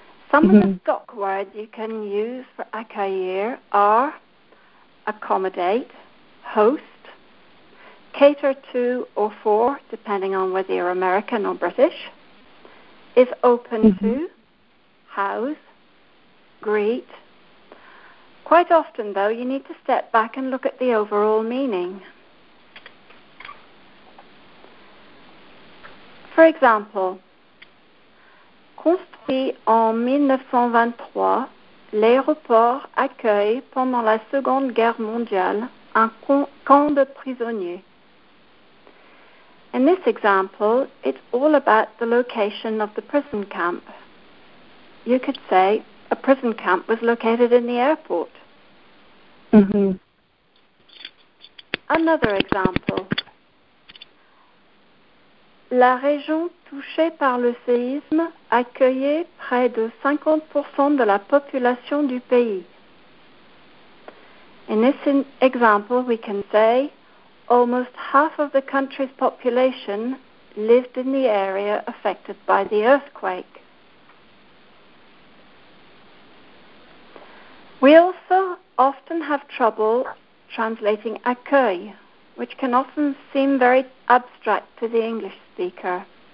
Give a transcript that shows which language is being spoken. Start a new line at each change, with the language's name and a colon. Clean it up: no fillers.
English: Some mm-hmm. of the stock words you can use for accueillir are accommodate, host, cater to or for, depending on whether you're American or British, is open mm-hmm. to, house, greet. Quite often, though, you need to step back and look at the overall meaning.
French: For example, construit en 1923, l'aéroport accueille pendant la Seconde Guerre mondiale un camp de prisonniers.
English: In this example, it's all about the location of the prison camp. You could say a prison camp was located in the airport. Mm-hmm. Another example.
French: La région touchée par le séisme accueillait près de 50% de la population du pays.
English: In this example, we can say almost half of the country's population lived in the area affected by the earthquake. We also often have trouble translating accueil, which can often seem very abstract to the English speaker.